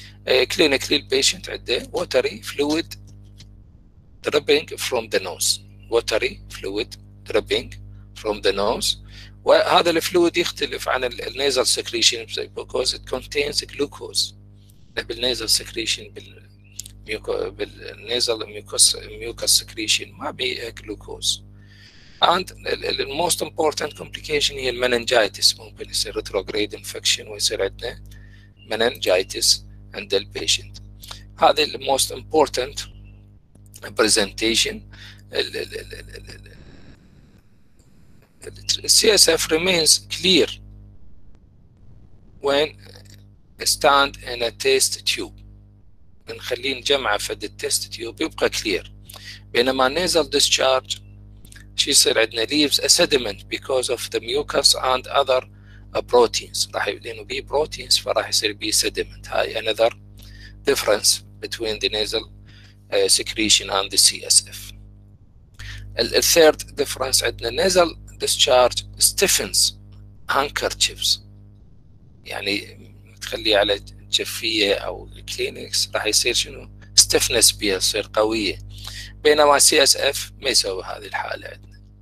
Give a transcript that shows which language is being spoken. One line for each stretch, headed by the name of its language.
English: Clinically the patient
Arabic: عنده
English: watery fluid dripping from the nose. Watery fluid dripping from the nose.
Arabic: وهذا الفلويد يختلف عن النيزل سكريشن
English: because it contains glucose.
Arabic: بالنيزل سكريشن بالنيزل ميوكوس سكريشن ما بي جلوكوز.
English: And the most important complication
Arabic: هي المننجايتس ممكن يصير
English: retrograde infection
Arabic: ويصير عندنا مننجايتس عند البيشنت. هذه
English: the most important presentation. CSF remains clear when stand in a test tube.
Arabic: بنخلي نجمع في التست تيوب يبقى clear. بينما
English: nasal discharge
Arabic: شي يصير عندنا
English: leaves a sediment because of the mucus and other proteins.
Arabic: راح لانه بي proteins فراح يصير بي sediment. هاي
English: another difference between the nasal secretion and the CSF.
Arabic: الثيرد ديفرنس عندنا
English: nasal discharge stiffens handkerchiefs
Arabic: يعني تخلي على جفية أو كلينكس راح يصير شنو stiffness بيها يصير قوية بينما CSF ما يسوي هذه الحالة عندنا.